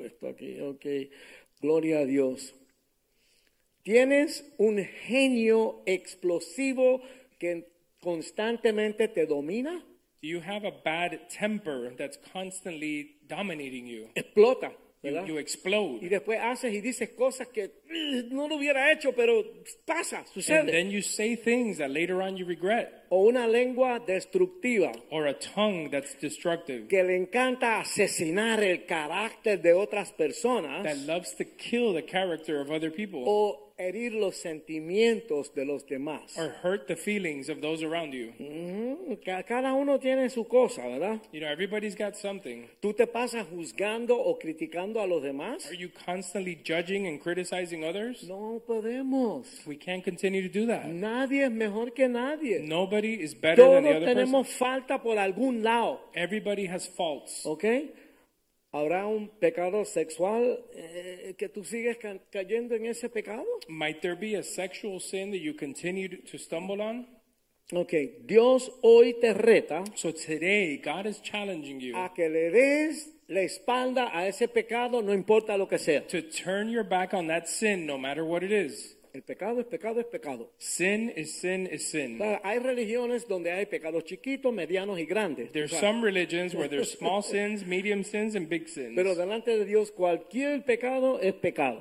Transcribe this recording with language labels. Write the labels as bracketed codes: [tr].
[es] Okay. Gloria a Dios. Tienes un genio explosivo que constantemente te domina. [en] Do you have a bad temper that's constantly dominating you? [es] Explota. [en] You explode. [es] Y después haces y dices cosas que no lo hubiera hecho, pero pasa, sucede. [en] And then you say things that later on you regret. [es] O una lengua destructiva. [en] Or a tongue that's destructive. [es] Que le encanta asesinar el carácter de otras personas. [en] That loves to kill the character of other people. [es] O herir los sentimientos de los demás. [en] Or hurt the feelings of those around you. [es] Mm-hmm. Cada uno tiene su cosa, ¿verdad? [en] You know, everybody's got something. [es] ¿Tú te pasas juzgando o criticando a los demás? [en] Are you constantly judging and criticizing others? [es] No podemos. [en] We can't continue to do that. [es] Nadie es mejor que nadie. [en] Nobody is better [es] Todos [en] than the other [es] tenemos [en] person. [es] Falta por algún lado. [en] Everybody has faults. Okay? [es] ¿Habrá un pecado sexual que tú sigues cayendo en ese pecado? [en] Might there be a sexual sin that you continue to stumble on? [es] Okay, Dios hoy te reta. [en] So today, God is challenging you. [es] A que le des la espalda a ese pecado, no importa lo que sea. [en] To turn your back on that sin, no matter what it is. [es] El pecado es pecado es pecado. [en] Sin is sin is sin. [es] Hay religiones donde hay pecados chiquitos, medianos y grandes. [en] There's some religions where there's small sins, medium sins, and big sins. [es] Pero delante de Dios cualquier pecado es pecado.